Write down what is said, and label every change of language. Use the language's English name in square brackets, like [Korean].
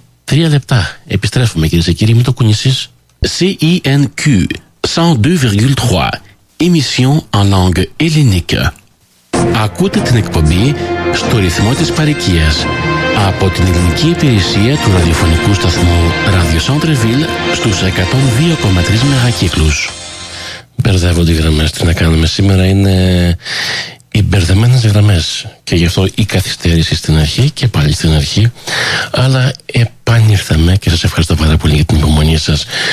[Greek] 3 λεπτά. Επιστρέφουμε, κυρίες και κύριοι, μην το κουνήσεις. [French] CINQ 102,3 Émission en langue hellénique. [Greek] Ακούτε την εκπομπή στο ρυθμό της παροικίας από την ελληνική υπηρεσία του ραδιοφωνικού σταθμού Radio Centreville στους 102,3 μεγακύκλους. Μπερδεύονται οι γραμμές. Τι να κάνουμε σήμερα, είναι οι μπερδεμένες γραμμές και γι' αυτό η καθυστέρηση στην αρχή και πάλι στην αρχή, αλλά επανήρθαμε και σας ευχαριστώ πάρα πολύ για την υπομονή σας.